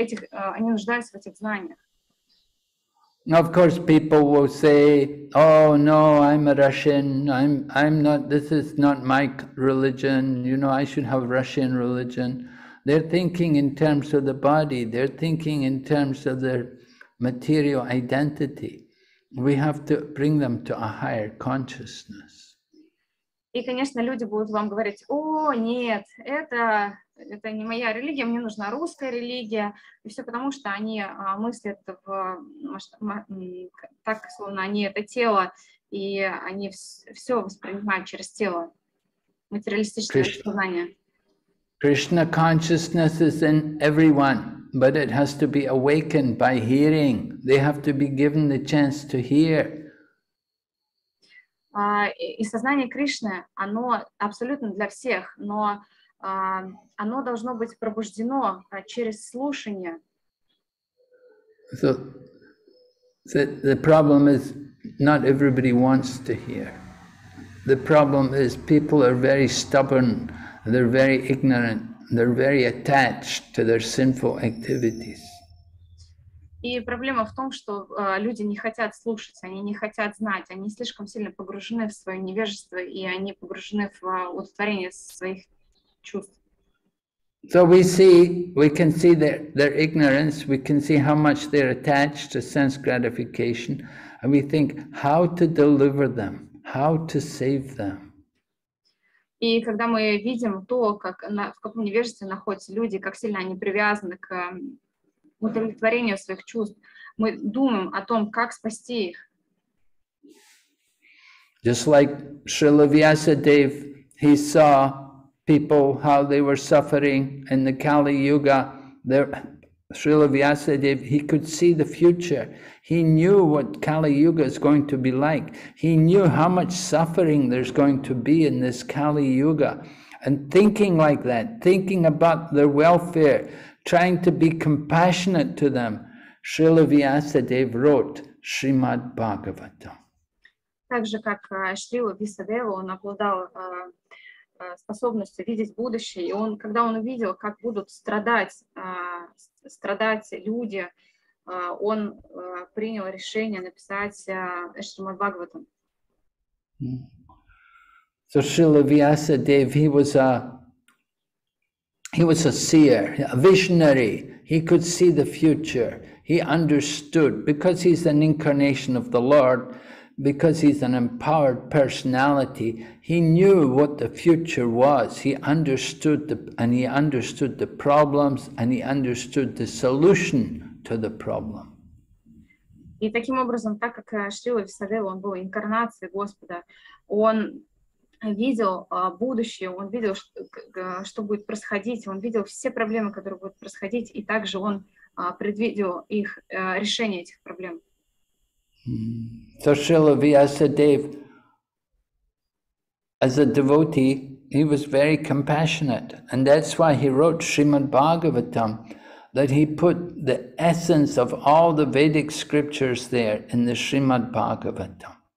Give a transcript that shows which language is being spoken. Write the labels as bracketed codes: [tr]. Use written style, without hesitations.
[ru] Они нуждаются в этих знаниях. [en] Of course, people will say, oh no, I'm a Russian, I'm not, this is not my religion, you know, I should have Russian religion. They're thinking in terms of the body, they're thinking in terms of their material identity. We have to bring them to a higher consciousness. [ru] И, конечно, люди будут вам говорить: о, нет, это не моя религия, мне нужна русская религия. И все потому, что они мыслят так, словно они это тело, и они все воспринимают через тело, материалистическое сознание. [en] Krishna consciousness is in everyone, but it has to be awakened by hearing. They have to be given the chance to hear. [ru] И сознание Кришны, оно абсолютно для всех, но оно должно быть пробуждено через слушание. [en] So, the problem is not everybody wants to hear. The problem is people are very stubborn, they're very ignorant, they're very attached to their sinful activities. [ru] И проблема в том, что люди не хотят слушать, они не хотят знать, они слишком сильно погружены в свое невежество, и они погружены в удовлетворение своих чувств. [en] So we can see their ignorance, we can see how much they're attached to sense gratification, and we think how to deliver them, how to save them. [ru] И когда мы видим то, как в каком невежестве находятся люди, как сильно они привязаны к удовлетворению своих чувств, мы думаем о том, как спасти их. [en] Just like Srila Vyasadeva, he saw people how they were suffering in the Kali Yuga. There, Srila Vyasadeva, he could see the future. He knew what Kali Yuga is going to be like. He knew how much suffering there's going to be in this Kali Yuga. And thinking like that, thinking about their welfare, trying to be compassionate to them, Srila Vyasadeva wrote Srimad Bhagavatam. [ru] Так же, как Шрила Вьясадева, он обладал способностью видеть будущее, и он, когда он увидел, как будут страдать люди, он принял решение написать Шримад Бхагаватам. [en] So Srila Vyasadeva, he was a seer, a visionary. He could see the future. He understood, because he's an incarnation of the Lord, because he's an empowered personality, he knew what the future was. He understood the problems, and he understood the solution to the problem. [ru] И таким образом, так как Шрила Вьясадева, он был инкарнацией Господа, он видел будущее, он видел, что будет происходить, он видел все проблемы, которые будут происходить, и также он предвидел их решение этих проблем. [en] So Srila Vyasadeva, as a devotee, he was very compassionate, and that's why he wrote Srimad Bhagavatam, that he put the essence of all the Vedic scriptures there in the Srimad Bhagavatam.